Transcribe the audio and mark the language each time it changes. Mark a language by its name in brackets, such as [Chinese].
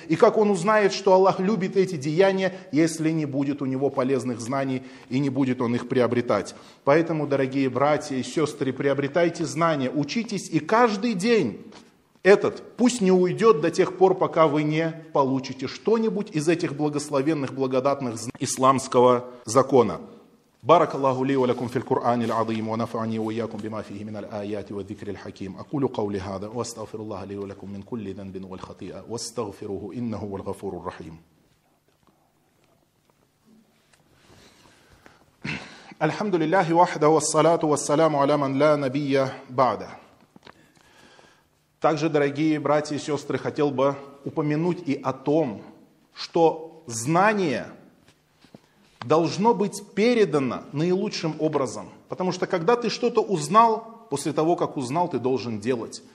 [Russian] И как он узнает, что Аллах любит эти деяния, если не будет у него полезных знаний и не будет он их приобретать? Поэтому, дорогие братья и сестры, приобретайте знания, учитесь, и каждый день этот пусть не уйдет до тех пор, пока вы не получите что-нибудь из этих благословенных, благодатных исламского закона. [Arabic] بارك الله لي ولكم في القرآن العظيم ونفعني وإياكم بما فيه من الآيات والذكر الحكيم أقول قولي هذا واستغفر الله لي ولكم من كل ذنب والخطيئة واستغفروه إنه هو الغفور الرحيم. الحمد لله وحده والصلاة والسلام على من لا نبي بعده. [Russian] Также, дорогие братья и сестры, хотел бы упомянуть и о том, что знание должно быть передано наилучшим образом. Потому что когда ты что-то узнал, после того, как узнал, ты должен делать.